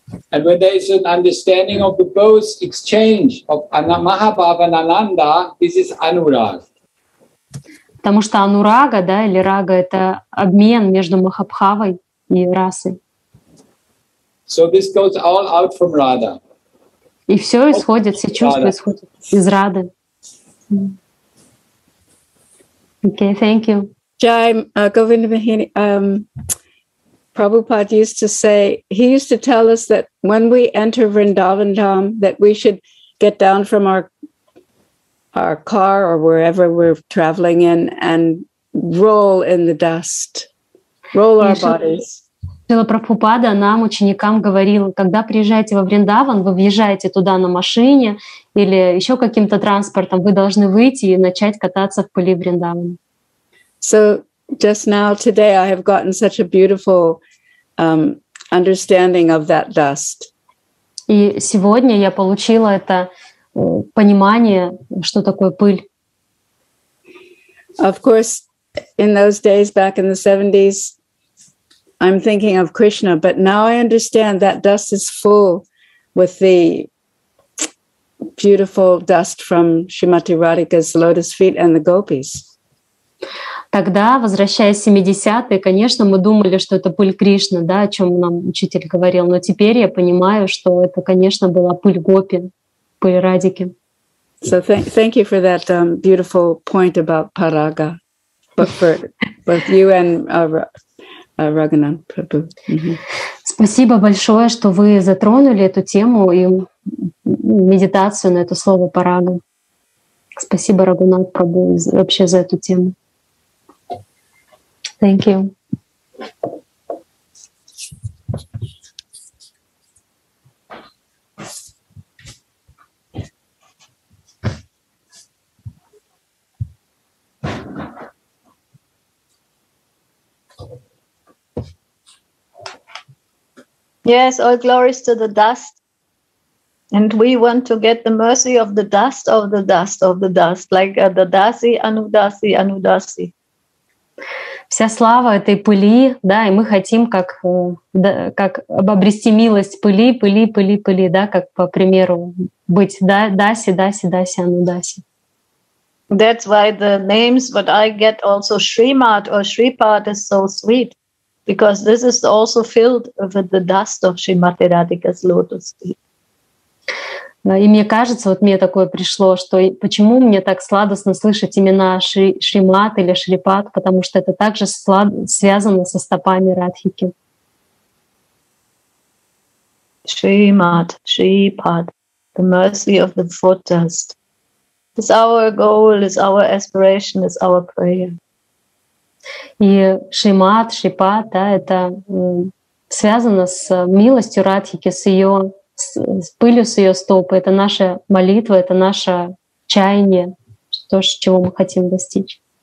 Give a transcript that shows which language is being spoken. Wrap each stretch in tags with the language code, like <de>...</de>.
<en>And when there is an understanding of the both exchange of Mahabhava and Ananda, this is Anurag.</en> <ru>Потому что Анурага, да, или Рага — это обмен между Махабхавой и Расой.</ru> <en>So this goes all out from Radha.</en> <ru>И все исходит, все чувства исходят из Рады.</ru> <en>Okay, thank you. Jai, Govinda Bahini, Prabhupada used to say, he used to tell us that when we enter Vrindavan Dham, that we should get down from our car or wherever we're traveling in and roll in the dust, roll our bodies.</en> <ru>Шрила Прабхупада нам, ученикам, говорил, когда приезжаете во Вриндаван, вы въезжаете туда на машине или еще каким-то транспортом, вы должны выйти и начать кататься в пыли Вриндавана.</ru> <en>So just now today I have gotten such a beautiful understanding of that dust.</en> <ru>И сегодня я получила это понимание, что такое пыль.</ru> <en>Of course, in those days back in the 70s, I'm thinking of Krishna, but now I understand that dust is full with the beautiful dust from Shrimati Radhika's lotus feet and the gopis.</en> <ru>Тогда, возвращаясь в 70-е, конечно, мы думали, что это пыль Кришны, да, о чем нам учитель говорил, но теперь я понимаю, что это, конечно, была пыль гопи, пыль Радики.</ru> <en>So thank you for that beautiful point about Parага, but for both you and Raghunand Prabhu. Mm-hmm.</en> <ru>Спасибо большое, что вы затронули эту тему и медитацию на это слово Парага. Спасибо, Рагунат Прабу, вообще за эту тему.</ru> <en>Thank you. Yes, all glories to the dust. And we want to get the mercy of the dust, of the dust, of the dust, like the dasi, anudasi, anudasi.</en> <ru>Вся слава этой пыли, да, и мы хотим как, да, как обрести милость пыли, пыли, пыли, пыли, да, как по примеру быть да, даси, даси, даси, анудаси.</ru> <en>That's why the names what I get also Shrimat or Shripat is so sweet, because this is also filled with the dust of Shrimati Radhika's lotus feet.</en> <ru>И мне кажется, вот мне такое пришло, что почему мне так сладостно слышать имена Шримат или Шрипат, потому что это также связано со стопами Радхики.</ru> <en>Шримат, Шрипат, the mercy of the foot dust. It's our goal, it's our aspiration, it's our prayer.</en> <ru>И Шримат, Шрипат, да, это связано с милостью Радхики, с ее с пылью с ее стопы. Это наша молитва, это наше чаяние, то, чего мы хотим достичь.</ru>